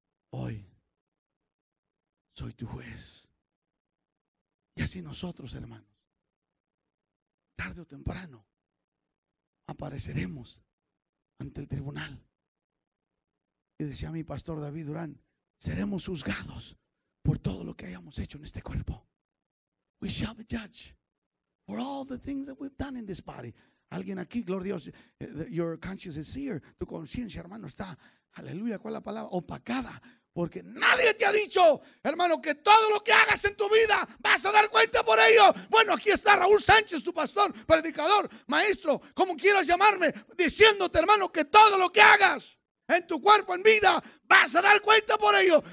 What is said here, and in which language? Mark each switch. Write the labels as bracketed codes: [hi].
[es] hoy soy tu juez. Y así nosotros, hermanos, tarde o temprano, apareceremos ante el tribunal. Y decía mi pastor David Durán, seremos juzgados por todo lo que hayamos hecho en este cuerpo. [en] We shall be judged for all the things that we've done in this body. [es] Alguien aquí, gloria a Dios, [en] your conscience is here. [es] Tu conciencia, hermano, está, aleluya, ¿cuál es la palabra? Opacada. Porque nadie te ha dicho, hermano, que todo lo que hagas en tu vida vas a dar cuenta por ello. Bueno, aquí está Raúl Sánchez, tu pastor, predicador, maestro, como quieras llamarme, diciéndote, hermano, que todo lo que hagas en tu cuerpo, en vida, vas a dar cuenta por ello.